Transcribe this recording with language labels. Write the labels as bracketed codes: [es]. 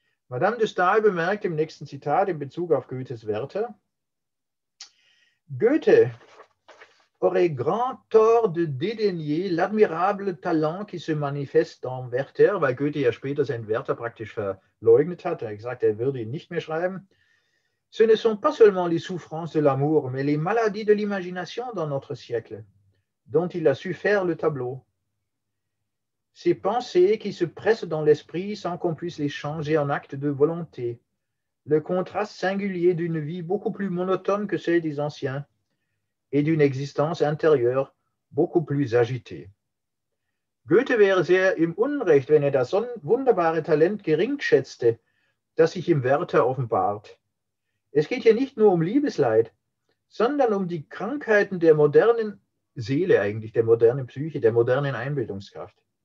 [de] Madame de Staël bemerkt im nächsten Zitat in Bezug auf Goethes Werther: [fr] Goethe aurait grand tort de dédaigner l'admirable talent qui se manifeste dans Werther, [de] weil Goethe ja später seinen Werther praktisch verleugnet hat. Er hat gesagt, er würde ihn nicht mehr schreiben. [fr] Ce ne sont pas seulement les souffrances de l'amour, mais les maladies de l'imagination dans notre siècle, dont il a su faire le tableau. Ces pensées qui se pressent dans l'esprit sans qu'on puisse les changer en actes de volonté. Le contraste singulier d'une vie beaucoup plus monotone que celle des anciens et d'une existence intérieure beaucoup plus agitée. [de] Goethe wäre sehr im Unrecht, wenn er das wunderbare Talent gering schätzte, das sich im Werther offenbart. Es geht hier nicht nur um Liebesleid, sondern um die Krankheiten der modernen Seele eigentlich, der modernen Psyche, der modernen Einbildungskraft.